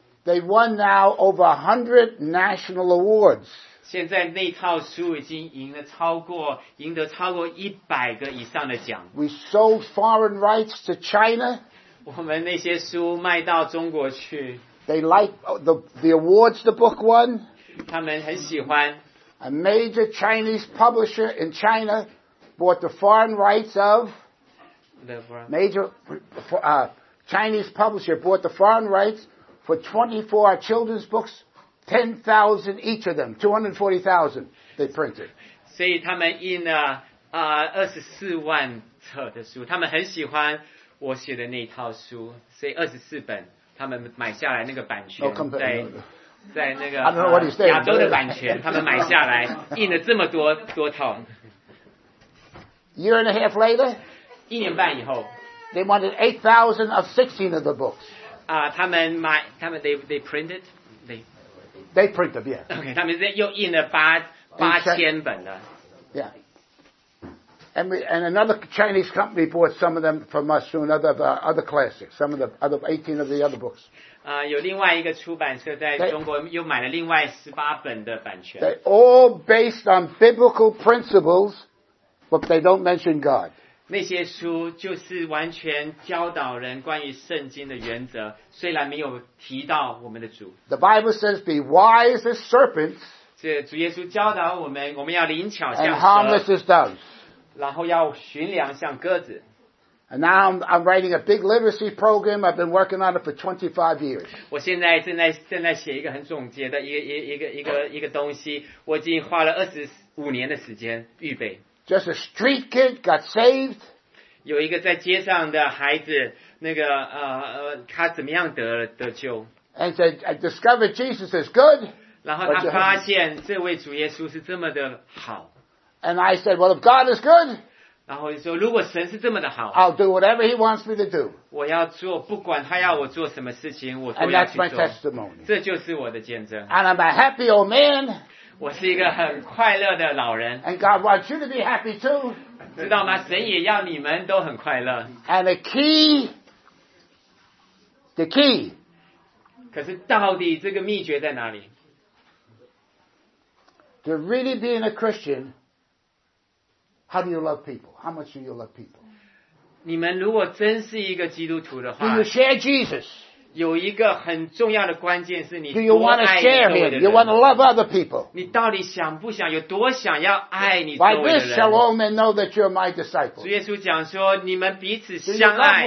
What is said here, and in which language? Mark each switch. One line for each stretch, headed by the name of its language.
English: They won now over 100 national awards.
Chinese: 现在那套书已经赢得超过100个以上的奖。
English: We sold foreign rights to China.
Chinese: 我们那些书卖到中国去。
English: They like the awards the book won.
Chinese: 他们很喜欢。
English: A major Chinese publisher in China bought the foreign rights of Major Chinese publisher bought the foreign rights for 24 children's books, 10,000 each of them, 240,000 they printed.
Chinese: 所以他们印了24万册的书，他们很喜欢我写的那套书，所以24本他们买下来那个版权在那个亚洲的版权，他们买下来印了这么多套。
English: Year and a half later.
Chinese: 一年半以后
English: ，They wanted 8,000 of 16 of the books.
Chinese: 他们
English: they printed, they printed, yeah.
Chinese: Okay, 他们这又印了8,000本了。
English: Yeah. And another Chinese company bought some of them from us, some other classics, some of the other 18 of the other books.
Chinese: 有另外一个出版社在中国又买了另外18本的版权。
English: They all based on biblical principles, but they don't mention God.
Chinese: 那些书就是完全教导人关于圣经的原则，虽然没有提到我们的主。
English: The Bible says, "Be wise as serpents."
Chinese: 这主耶稣教导我们，我们要灵巧像蛇。
English: And harmless as doves.
Chinese: 然后要驯良像鸽子。
English: And now I'm writing a big literacy program. I've been working on it for 25 years.
Chinese: 我现在正在写一个很总结的一个东西，我已经花了25年的时间预备。
English: Just a street kid got saved.
Chinese: 有一个在街上的孩子，那个他怎么样得救
English: ？And said, I discovered Jesus is good.
Chinese: 然后他发现这位主耶稣是这么的好。
English: And I said, Well, if God is good,
Chinese: 然后就说如果神是这么的好
English: ，I'll do whatever He wants me to do.
Chinese: 我要做，不管他要我做什么事情，我都要去做。
English: And that's my testimony.
Chinese: 这就是我的见证。
English: And I'm a happy old man.
Chinese: 我是一个很快乐的老人。
English: And God wants you to be happy too.
Chinese: 知道吗？神也要你们都很快乐。
English: And the key.
Chinese: 可是到底这个秘诀在哪里？
English: To really being a Christian, how do you love people? How much do you love people?
Chinese: 你们如果真是一个基督徒的话
English: ，Do you share Jesus？
Chinese: 有一个很重要的关键是你
English: ，Do you want to share him？ You want to love other people？
Chinese: 你到底想不想有多想要爱你周围的人
English: ？By this shall all men know that you are my disciples。
Chinese: 主耶稣讲说，你们彼此相爱